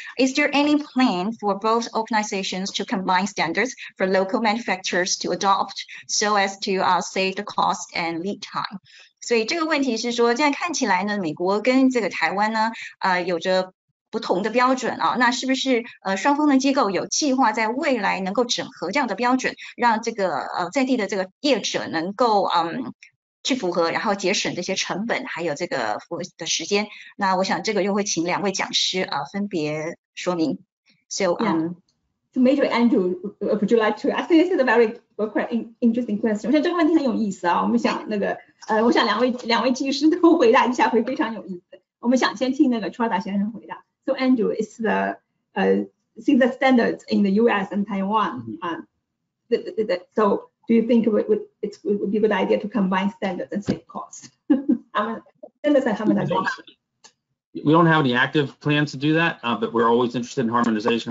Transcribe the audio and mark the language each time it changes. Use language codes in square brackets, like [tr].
[en] Is there any plan for both organizations to combine standards for local manufacturers to adopt so as to save the cost and lead time? [zh] 所以这个问题是说，现在看起来呢，美国跟这个台湾呢，有着不同的标准啊。那是不是双方的机构有计划在未来能够整合这样的标准，让这个在地的这个业者能够去符合，然后节省这些成本，还有这个服务的时间？那我想这个又会请两位讲师分别说明。 [en] So, Major Andrew, would you like to? I think this is a very interesting question. [zh] 我想这个问题很有意思啊。我们想那个我想两位技师都回答一下会非常有意思。我们想先听那个 Chuada 先生回答。 [en] So Andrew, it's the since the standards in the U.S. and Taiwan, so do you think it would be a good idea to combine standards and save costs? Standards and harmonization. We don't have any active plans to do that, but we're always interested in harmonization.